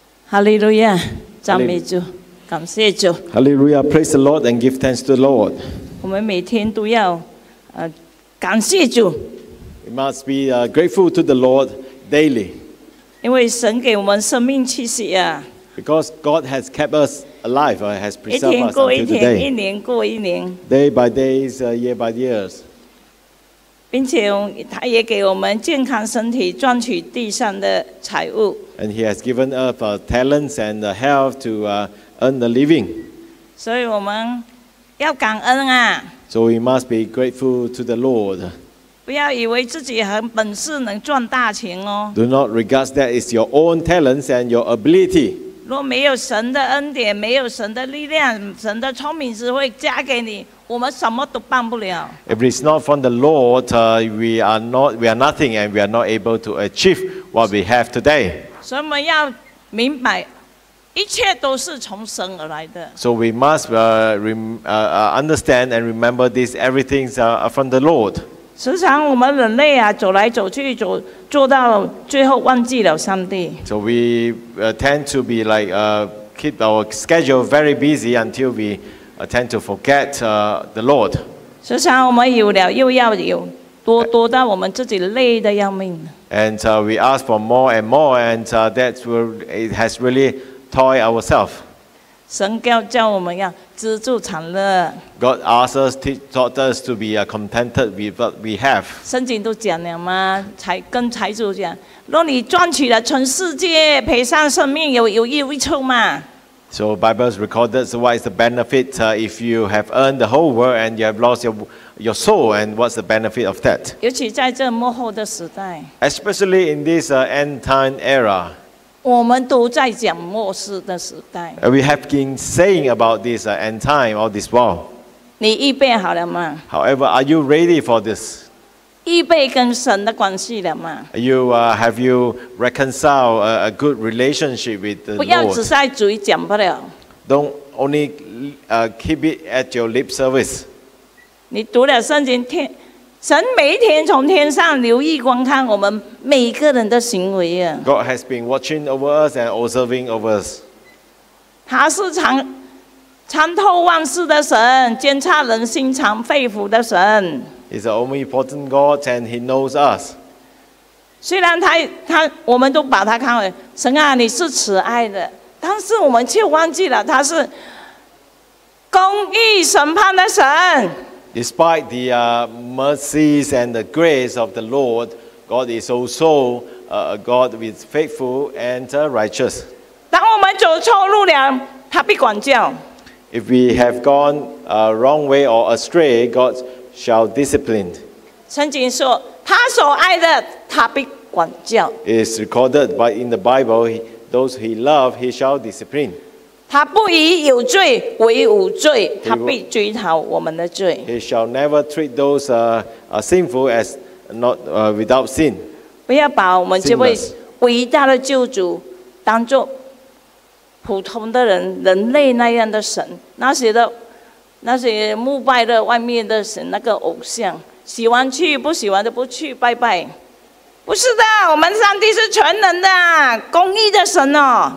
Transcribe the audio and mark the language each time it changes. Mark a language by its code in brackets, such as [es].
[zh] Hallelujah, 赞美主，感谢主。 [en] Hallelujah, praise the Lord and give thanks to the Lord. [zh] 我们每天都要感谢主。 [en] We must be grateful to the Lord daily. [zh] 因为神给我们生命气息啊。 [en] Because God has kept us alive, has preserved us until today. [zh] 一年过一年。 [en] Day by day, year by year. [zh] 并且他也给我们健康身体赚取地上的财物。 [en] And he has given up talents and health to earn the living. [zh] 所以我们要感恩啊。 [en] So we must be grateful to the Lord. [zh] 不要以为自己很本事能赚大钱哦。 [en] Do not regard that it's your own talents and your ability. [zh] 如果没有神的恩典，没有神的力量，神的聪明智慧加给你，我们什么都办不了。 [en] If it's not from the Lord, we are nothing, and we are not able to achieve what we have today. [zh] 所以我们要明白，一切都是从神而来的。 [en] So we must understand and remember this. Everything's from the Lord. [zh] 时常我们人类啊，走来走去走。做到最后忘记了上帝。 [en] So we tend to be like keep our schedule very busy until we tend to forget the Lord. [zh] 时常我们有了又要有，多到我们自己累得要命。 [en] And we ask for more and more, and that's where it has really toy ourselves. [zh] 神叫我们要知足常乐。 [en] God asked us, taught us to be contented with what we have. [zh] 圣经都讲了嘛，才跟财主讲，若你赚取了全世界，赔上生命，有益处嘛。 [en] So Bible has recorded so what is the benefit if you have earned the whole world and you have lost your soul, and what's the benefit of that? [zh] 尤其在这末后的时代。 [en] Especially in this end time era. [zh] 我们都在讲末世的时代。 [en] We have been saying about this end time or this war. [zh] 你预备好了吗 [en] ？However, are you ready for this? [zh] 预备跟神的关系了吗 [en] ？You have you reconciled a good relationship with the Lord? [zh] 不要只在嘴讲不了。 [en] Don't only keep it at your lip service. [zh] 你读了圣经，神每天从天上留意观看我们每个人的行为啊。 [en] God has been watching over us and observing over us. [zh] 他是参透万事的神，监察人心肠肺腑的神。 [en] He's an omnipotent God and he knows us. [zh] 虽然他我们都把他看为神啊，你是慈爱的，但是我们却忘记了他是公义审判的神。 [en] Despite the mercies and the grace of the Lord, God is also a God who is faithful and righteous. [zh] 当我们走错路了，他必管教。 [en] If we have gone a wrong way or astray, God shall discipline. [zh] 圣经说，他所爱的，他必管教。 [en] It is recorded by in the Bible, those he loves, he shall discipline. [zh] 他不以有罪为无罪，他必追讨我们的罪。 [en] He shall never treat those sinful as not without sin. [zh] 不要把我们这位伟大的救主当作普通的人类那样的神，那些膜拜的外面的神，那个偶像，喜欢去不喜欢的不去拜拜。不是的，我们上帝是全能的，公义的神哦。